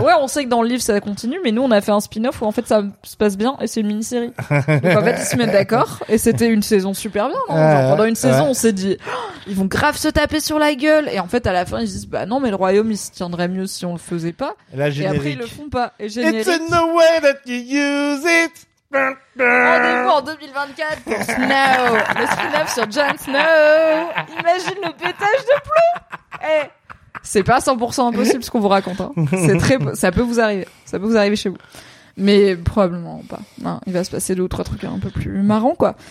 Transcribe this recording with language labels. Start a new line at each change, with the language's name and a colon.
French: Ouais, on sait que dans le livre, ça continue, mais nous, on a fait un spin-off où, en fait, ça se passe bien et c'est une mini-série. Donc, en fait, ils se mettent d'accord et c'était une saison super bien. Non genre, pendant une saison, on s'est dit, oh, ils vont grave se taper sur la gueule. Et en fait, à la fin, ils disent, bah non, mais le royaume, il se tiendrait mieux si on le faisait pas. Là, et après, ils le font pas. Et
English: it's in the way that you use it.
French: Rendez-vous en 2024 pour Snow, le spin-off sur Jon Snow. Imagine le pétage de plomb. C'est pas 100% impossible ce qu'on vous raconte. Hein. Ça peut vous arriver. Ça peut vous arriver chez vous. Mais probablement pas. Non, il va se passer deux ou trois trucs un peu plus marrants, quoi.